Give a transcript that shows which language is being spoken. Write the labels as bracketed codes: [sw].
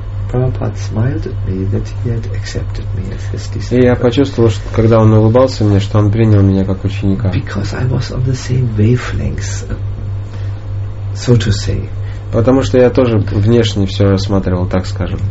[en] Prabhupada smiled at me that he had accepted me as his disciple. [ru] И я почувствовал, что когда он улыбался мне, что он принял меня как ученика. [en] Because I was on the same wavelength, so to say. [ru] Потому что я тоже внешне все рассматривал, так скажем.